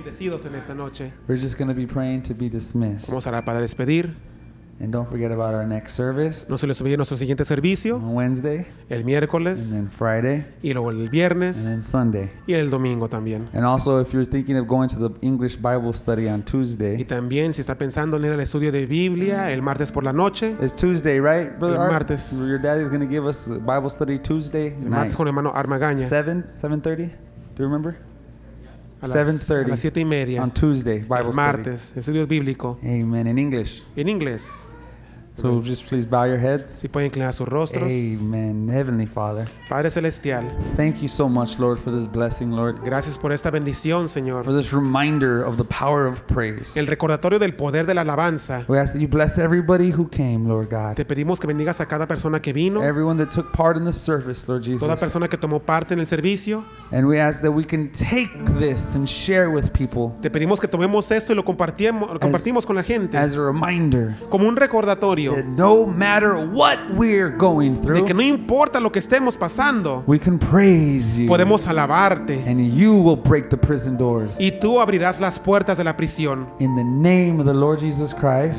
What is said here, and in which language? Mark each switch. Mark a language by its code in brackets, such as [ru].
[en] We're just going to be praying to be dismissed. [es] Vamos a orar para despedir. [en] And don't forget about our next service. [es] No se les olvide nuestro siguiente servicio. [en] On Wednesday. [es] El miércoles. [en] And then Friday. [es] Y luego el viernes. [en] And then Sunday. [es] Y el domingo también. [en] And also, if you're thinking of going to the English Bible study on Tuesday. [es] Y también si está pensando en ir al estudio de Biblia el martes por la noche. [en] It's Tuesday, right, Brother [es] Art? El martes. [en] Your dad is going to give us a Bible study Tuesday [es] night. El martes con hermano Armagaña. [en] 7:30. Do you remember? [es] 7:30. A las 7 y media. [en] On Tuesday, Bible [es] martes, [en] study. [es] Martes, estudio bíblico. [en] Amen. In English. [es] En inglés. [en] So amen. Just please bow your heads. [es] Si pueden inclinar sus rostros. [en] Amen. Heavenly Father. [es] Padre celestial. [en] Thank you so much, Lord, for this blessing, Lord. [es] Gracias por esta bendición, Señor. [en] For this reminder of the power of praise. [es] El recordatorio del poder de la alabanza. [en] We ask that you bless everybody who came, Lord God. [es] Te pedimos que bendigas a cada persona que vino. [en] Everyone that took part in the service, Lord Jesus. [es] Toda persona que tomó parte en el servicio. [en] And we ask that we can take this and share with people. [es] Te pedimos que tomemos esto y lo compartimos con la gente. [en] As a reminder. [es] Como un recordatorio. [en] That no matter what we're going through. [es] De que no importa lo que estemos pasando. [en] We can praise you. [es] Podemos alabarte. [en] And you will break the prison doors. [es] Y tú abrirás las puertas de la prisión. [en] In the name of the Lord Jesus Christ.